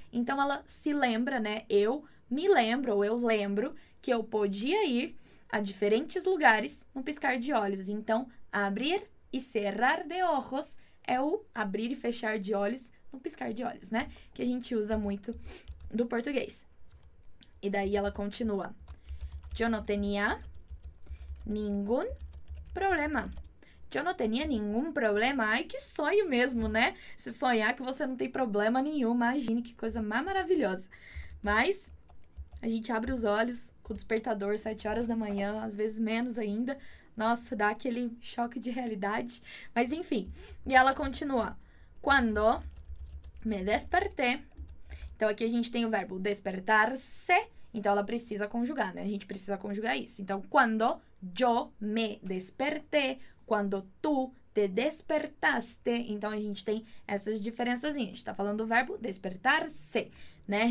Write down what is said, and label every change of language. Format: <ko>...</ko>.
<pt>Então, ela se lembra, né? Eu me lembro, ou eu lembro, que eu podia ir a diferentes lugares num piscar de olhos. Então, abrir e</pt> <es>cerrar de ojos</es> <pt>é o abrir e fechar de olhos no piscar de olhos, né? Que a gente usa muito do português. E daí ela continua.</pt> <es>Yo no tenía ningún problema. Yo no tenía ningún problema.</es> <pt>Ai, que sonho mesmo, né? Se sonhar que você não tem problema nenhum. Imagine que coisa mais maravilhosa. Mas a gente abre os olhos com o despertador 7 horas da manhã, às vezes menos ainda. Nossa, dá aquele choque de realidade. Mas enfim. E ela continua.</pt> <es>Cuando me desperté.</es> <pt>Então, aqui a gente tem o verbo despertar-se. Então, ela precisa conjugar, né? A gente precisa conjugar isso.</pt> <es>Então, cuando yo me desperté, cuando tú te despertaste.</es> <pt>Então, a gente tem essas diferençazinhas. A gente está falando do verbo despertar-se, né?</pt>